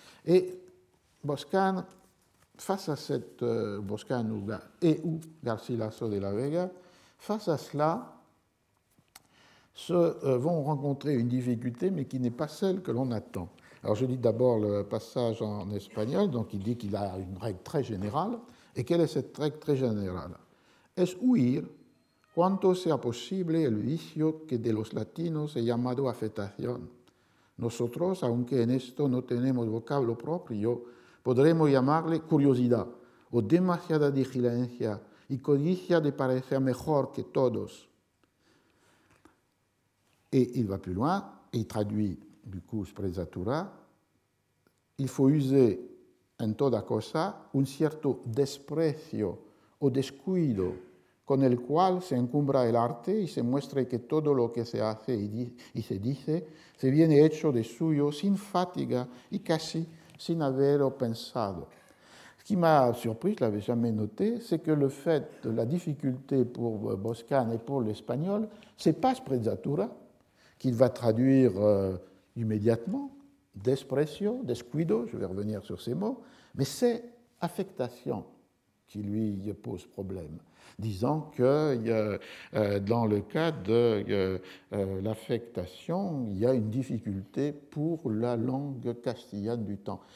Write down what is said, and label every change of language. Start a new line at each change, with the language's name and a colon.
French: Et Boscan, face à cette Boscan et ou Garcilaso de la Vega, face à cela, vont rencontrer une difficulté, mais qui n'est pas celle que l'on attend. Alors, je lis d'abord le passage en espagnol, donc il dit qu'il a une règle très générale. Et quelle est cette règle très générale?
Spanish: Es huir quanto sea posible el vicio que de los latinos he llamado afectación. Nosotros, aunque en esto no tenemos vocablo propio, podremos llamarle curiosidad o demasiada diligencia y codicia de parecer mejor que todos.
French: Et il va plus loin, il traduit. Du coup, sprezzatura, il faut user
Spanish: en toda cosa un cierto desprecio o descuido con el cual se encumbra el arte y se muestra que todo lo que se hace y se dice se viene hecho de suyo sin fatiga y casi sin haberlo pensado.
French: Ce qui m'a surpris, je ne l'avais jamais noté, c'est que le fait de la difficulté pour Boscan et pour l'espagnol, ce n'est pas sprezzatura qu'il va traduire immédiatement, desprecio, descuido, je vais revenir sur ces mots, mais c'est affectation qui lui pose problème, disant que dans le cas de l'affectation, il y a une difficulté pour la langue castillane du temps.